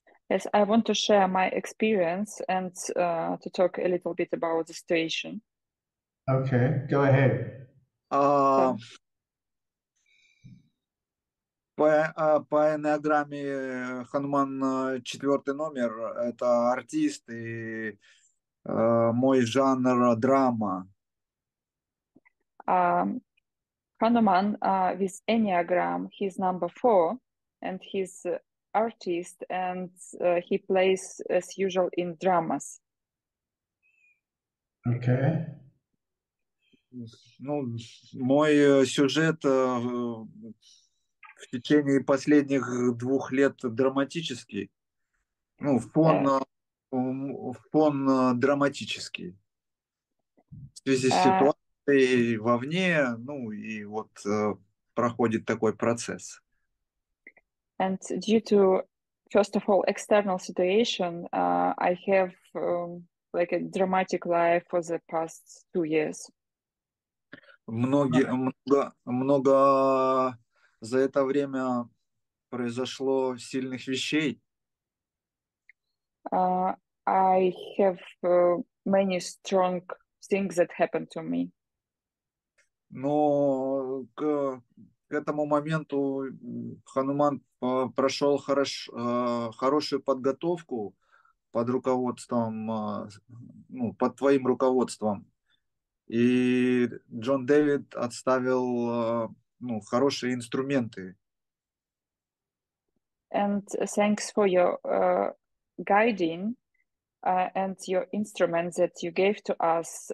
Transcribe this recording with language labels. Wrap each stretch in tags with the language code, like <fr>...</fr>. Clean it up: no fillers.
<en>Yes, I want to share my experience and to talk a little bit about the situation. Okay, go ahead.</en> <ru>По энеаграмме Хануман четвертый номер, это артист, и мой жанр драма.</ru> <en>Hanuman with Enneagram, he's number four, and he's artist, and he plays as usual in dramas. Okay.</en> <ru>Ну, мой сюжет в течение последних двух лет драматический. Ну, фон драматический. В связи с ситуацией. И вовне, ну и вот проходит такой процесс.</ru> <en>And due to, first of all, external situation, I have like a dramatic life for the past 2 years.</en> <ru>Многие, много за это время произошло сильных вещей.</ru> <en>I have many strong things that happened to me.</en> <ru>Но к этому моменту Хануман прошел хорошую подготовку под руководством, ну, под твоим руководством. И Джон Дэвид отставил, ну, хорошие инструменты.</ru> <en>And thanks for your guiding and your instruments that you gave to us.</en>